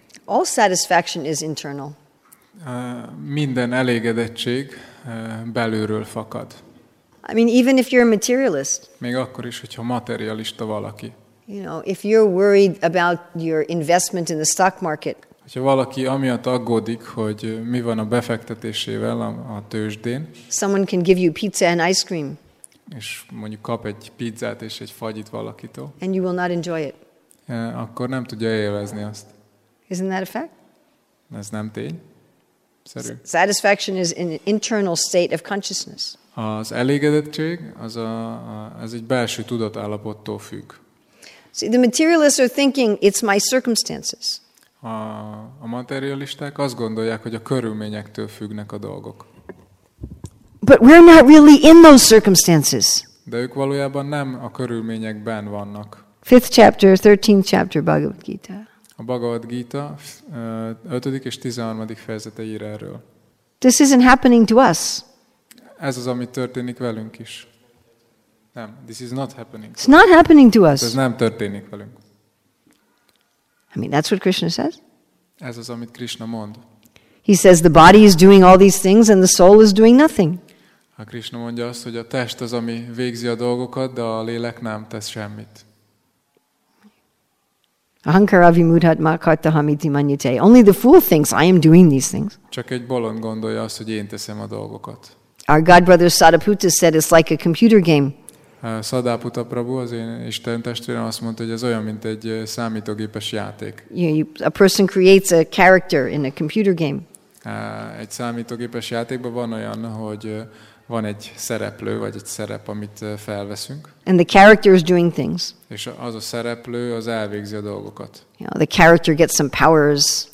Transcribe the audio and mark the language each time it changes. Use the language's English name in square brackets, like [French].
[English] All satisfaction is internal. [Hungarian] Minden elégedettség belülről fakad. [English] I mean, even if you're a materialist. [Hungarian] Még akkor is, hogyha materialista valaki. [English] You know, if you're worried about your investment in the stock market. [Hungarian] Hogyha valaki amiatt aggódik, hogy mi van a befektetésével a tőzsdén. [English] Someone can give you pizza and ice cream. [Hungarian] És mondjuk kap egy pizzát és egy fagyit valakitől. [English] And you will not enjoy it. [Hungarian] Akkor nem tudja élvezni azt. [English] Isn't that a fact? [Hungarian] Ez nem tény. Szerű. [English] Satisfaction is an internal state of consciousness. [Hungarian] Az elégedettség, az ez egy belső tudatállapottól függ. [English] See, the materialists are thinking it's my circumstances. [Hungarian] A materialisták azt gondolják, hogy a körülményektől függnek a dolgok. [English] But we're not really in those circumstances. [Hungarian] De ők valójában nem a körülményekben vannak. [English] Fifth chapter, 13th chapter Bhagavad Gita. [Hungarian] A Bhagavad Gita 5. és 13. fejezete ír erről. [English] This isn't happening to us. [Hungarian] Ez az, ami történik velünk is. Nem, [English] this is not happening. It's not happening to us. [Hungarian] Ez nem történik velünk. [English] I mean, that's what Krishna says. [Hungarian] Ez az, amit Krishna mond. [English] He says the body is doing all these things and the soul is doing nothing. [Hungarian] A Krishna mondja azt, hogy a test az, ami végzi a dolgokat, de a lélek nem tesz semmit. [Sanskrit] Ahankara vimudhat makarta hamiti manyate. [English] Only the fool thinks I am doing these things. [Hungarian] Csak egy bolond gondolja azt, hogy én teszem a dolgokat. [English] Our God brother Sadaputta said it's like a computer game. [Hungarian] Sadaputta Prabhu, az én Isten testvérem azt mondta, hogy ez olyan, mint egy számítógépes játék. [English] A person creates a character in a computer game. [Hungarian] Egy számítógépes játékban van olyan, hogy van egy szereplő, vagy egy szerep, amit felveszünk. [English] And the character is doing things. [Hungarian] És az a szereplő, az elvégzi a dolgokat. [English] You know, the character gets some powers.